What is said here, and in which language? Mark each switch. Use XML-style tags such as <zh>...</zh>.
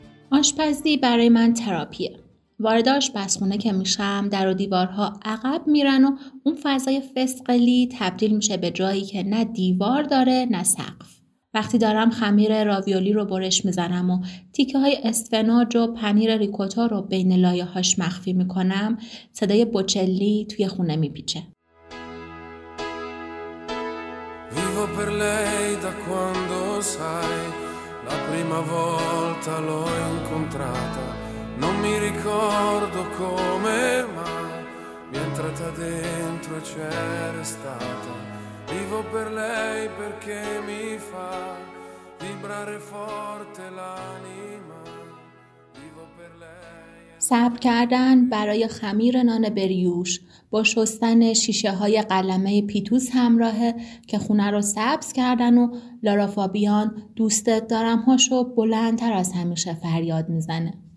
<fa>آشپزی برای من تراپیه. وارد آشپزخونه که میشم در و دیوارها عقب میرن و اون فضای فسقلی تبدیل میشه به جایی که نه دیوار داره نه سقف. وقتی دارم خمیر راویولی رو برش میزنم و تیکه های اسفناج و پنیر ریکوتا رو بین لایه هاش مخفی میکنم، صدای بوچلی توی خونه میپیچه.</fa> <it>Vivo per lei da quando sai. La prima volta l'ho incontrata, non mi ricordo come mai, mi è entrata dentro e c'è restata. Vivo per lei perché mi fa vibrare forte l'anima. Vivo per lei.</it> <fa>صبر کردن برای خمیر نان بریوش با شستن شیشه های قلمه پیتوس همراهه که خونه رو سبز کردن و لارا فابیان دوستت دارم هاشو بلندتر از همیشه فریاد میزنه.</fa>